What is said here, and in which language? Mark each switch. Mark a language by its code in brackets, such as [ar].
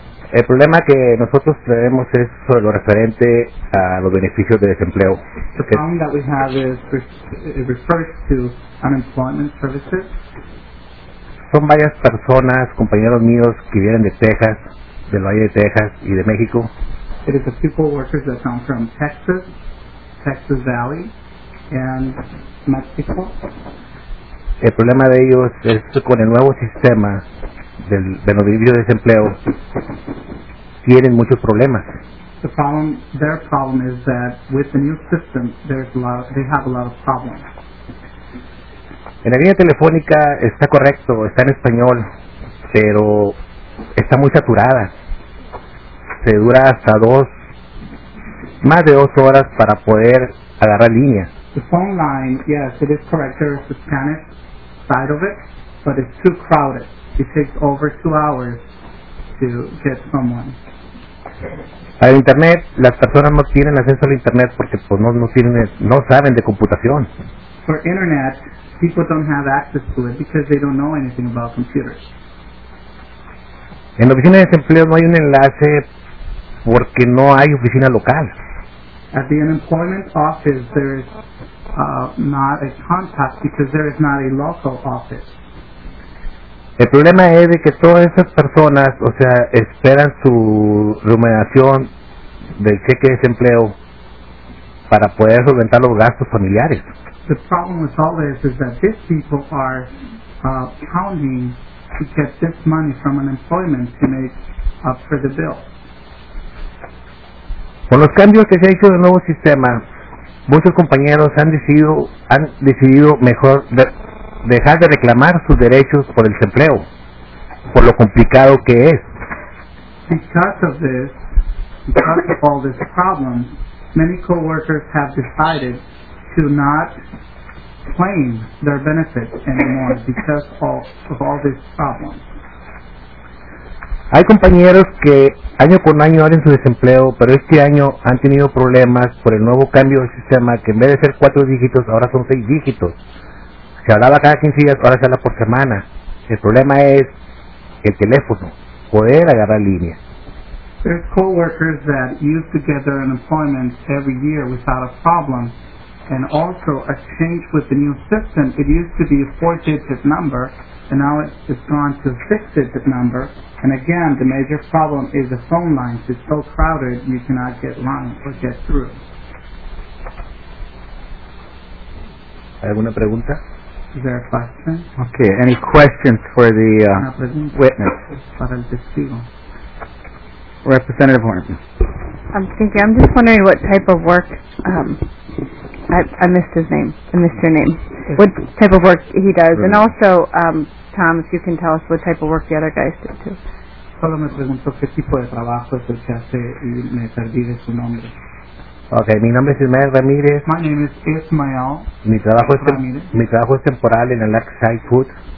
[es] El problema que nosotros tenemos es sobre lo referente a los beneficios de desempleo. [en] The problem that we have refers to unemployment services. [es] Son varias personas, compañeros míos, que vienen de Texas, del Valle de Texas y de México. [en] It is a people workers that come from Texas Valley, and Mexico. [es] El problema de ellos es con el nuevo sistema de los beneficios de desempleo, tienen muchos problemas. [en] The problem, their problem is that with the new system, they have a lot of problems. [es] En la línea telefónica está correcto, está en español, pero está muy saturada. Se dura hasta más de dos horas para poder agarrar línea. [en] The phone line, yes, it is correct, there is the Spanish side of it, but it's too crowded. It takes over 2 hours to get someone. [es] Al internet, las personas no tienen acceso al internet porque pues no tienen, no saben de computación. [en] For internet, people don't have access to it because they don't know anything about computers. [es] En la oficina de desempleo no hay un enlace porque no hay oficina local. [en] At the unemployment office, there is not a contact because there is not a local office. [es] El problema es de que todas esas personas, o sea, esperan su remuneración del cheque de desempleo para poder solventar los gastos familiares. [en] The problem with all this is that these people are counting to get this money from unemployment to make up for the bill. [es] Con los cambios que se ha hecho del nuevo sistema, muchos compañeros han decidido mejor dejar de reclamar sus derechos por el desempleo, por lo complicado que es. [en] Because of this, because of all this problem, many co-workers have decided to not claim their benefits anymore because of all this problem. [es] Hay compañeros que año con año abren su desempleo, pero este año han tenido problemas por el nuevo cambio del sistema, que en vez de ser 4 dígitos, ahora son 6 dígitos. Se hablaba cada 15 días, ahora se habla por semana. El problema es el teléfono, poder agarrar línea. [en] There's co-workers that used to get their unemployment every year without a problem, and also a change with the new system. It used to be a 4-digit number, and now it's gone to a 6-digit number. And again, the major problem is the phone lines. It's so crowded, you cannot get line or get through. [es] ¿Alguna pregunta? [en] Is there a question? Okay, any questions for the witness? [es] Para el testigo. [en] Representative Horton. I'm thinking, I'm just wondering what type of work, I missed your name. What type of work he does. Right. And also, Tom, if you can tell us what type of work the other guys did too. [es] Solo me preguntó qué tipo de trabajo es el que hace y me perdí de su nombre. Okay, mi nombre es Ismael Ramírez. [en] My name is Ismael. [es] Mi trabajo es temporal en el Lakeside Food.